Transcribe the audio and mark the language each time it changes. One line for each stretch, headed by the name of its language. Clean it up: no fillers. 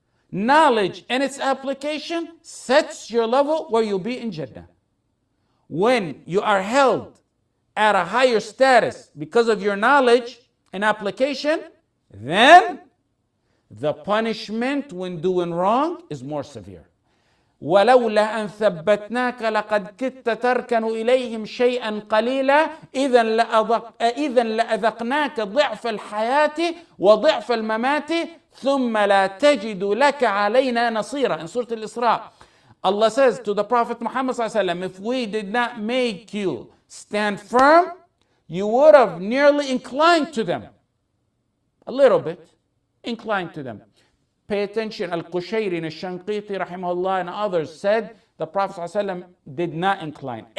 English: Knowledge and its application sets your level where you'll be in Jannah. When you are held at a higher status because of your knowledge and application, then the punishment when doing wrong is more severe.
Arabic: ولولا أن ثبتناك لقد كدت تركن إليهم شيئا قليلا إذا لأذقناك ضعف الحياة وضعف الممات ثم لا تجد لك علينا نصيرا.
English: In Surah Al-Isra, Allah says to the Prophet Muhammad صلى الله عليه وسلم, if we did not make you stand firm, you would have nearly inclined to them. A little bit inclined to them. Pay attention, Al-Qushayri and Al-Shanqiti rahimahullah and others said the Prophet ﷺ did not incline.